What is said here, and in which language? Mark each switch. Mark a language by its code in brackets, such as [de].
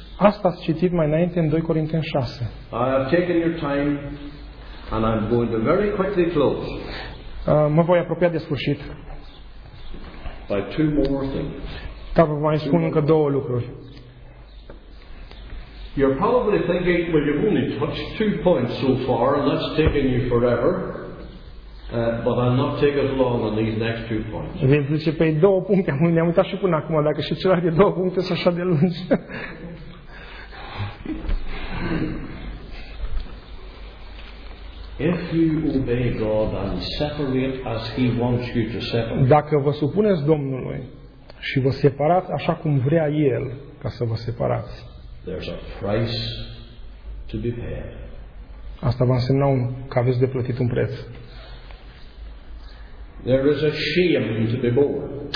[ro] Asta ați citit mai înainte în 2 Corinteni 6. [en] I have taken your time and I'm going to very quickly close. [ro] Mă voi apropia de sfârșit. [en] By two more things. [ro] Dar vă mai spun încă două lucruri. [en] You're probably thinking, well, you've only touched two points so far, and that's taking you forever. But I'll not take as long on these next two points. [ro] Vezi, zice, pe două puncte, am uitat și până acum, dacă și celălalt de două puncte sunt așa de lungi. [en] If you obey God and separate as He wants you to separate. [ro] Dacă vă supuneți Domnului și vă separați așa cum vrea El ca să vă separați. [en] There's a price to be paid. [ro] Asta va însemna că aveți de plătit un preț. [en] There is a shame to be born.